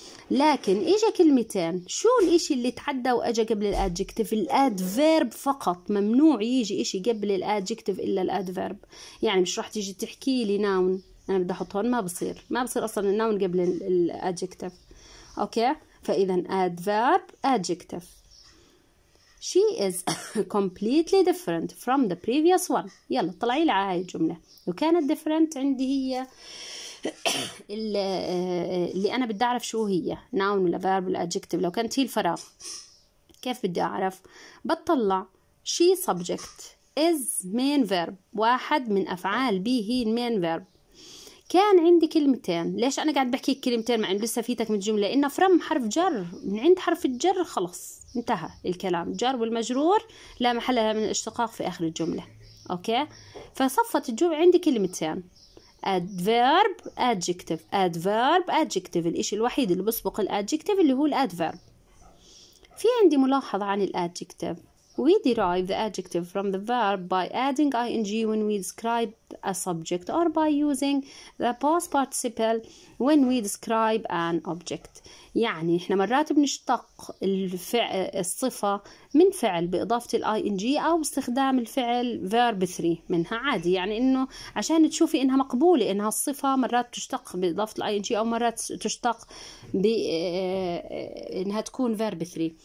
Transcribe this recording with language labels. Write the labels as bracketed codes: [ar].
[ar] لكن إجا كلمتين شو الإشي اللي تعدى وأجا قبل الأدجكتف؟ الأدفيرب فقط. ممنوع يجي إشي قبل الأدجكتف إلا الأدفيرب. يعني مش راح تيجي تحكي لي ناون أنا بدي أحط هون. ما بصير أصلا الناون قبل الأدجكتف. أوكي فإذا أدفيرب أدجكتف. [en] She is completely different from the previous one. [ar] يلا طلعي لي على هاي الجملة. وكانت different عندي هي اللي أنا بدي أعرف شو هي noun ولا verb ولا adjective. لو كانت هي الفراغ كيف بدي أعرف؟ بطلع [en] she subject is main verb [ar] واحد من أفعال be هي main verb. كان عندي كلمتين. ليش أنا قاعد بحكي كلمتين مع إن لسه فيتك من الجملة؟ إنه from حرف جر من عند حرف الجر خلص انتهى الكلام. جر والمجرور لا محل لها من الاشتقاق في آخر الجملة. أوكي فصفت الجملة عندي كلمتين [en] adverb adjective adverb adjective. [ar] الإشي الوحيد اللي بسبق الadjective اللي هو الadverb. في عندي ملاحظة عن الadjective. [en] We derive the adjective from the verb by adding ing when we describe a subject or by using the past participle when we describe an object. [ar] يعني إحنا مرات بنشتق الصفة من فعل بإضافة الـ ing أو باستخدام الفعل verb 3 منها عادي. يعني إنه عشان تشوفي إنها مقبولة إنها الصفة مرات تشتق بإضافة الـ ing أو مرات تشتق بإنها تكون verb 3.